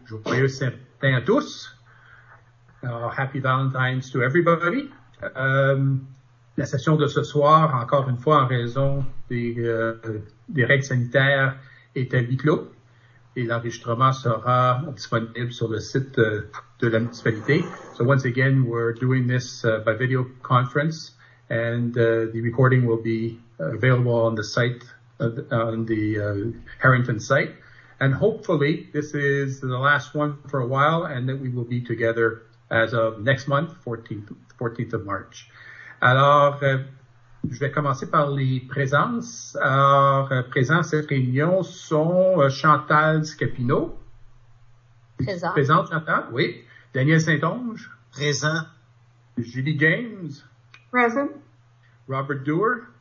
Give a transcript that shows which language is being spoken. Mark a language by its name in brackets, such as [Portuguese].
[French] Joyeux Saint-Valentin à tous. [English] Happy Valentine's to everybody. [French] La session de ce soir, encore une fois, en raison des règles sanitaires, est à huis clos. Et l'enregistrement sera disponible sur le site de la municipalité. [English] So once again, we're doing this by video conference, and the recording will be available on the site, Harrington site. And hopefully, this is the last one for a while, and that we will be together as of next month, 14th of March. [French] Alors, je vais commencer par les présences. Alors, présents à cette réunion sont Chantal Scapino. Présente, Chantal, oui. Daniel Saint-Onge. Présent. Julie James. [English] Present. Robert Dewar.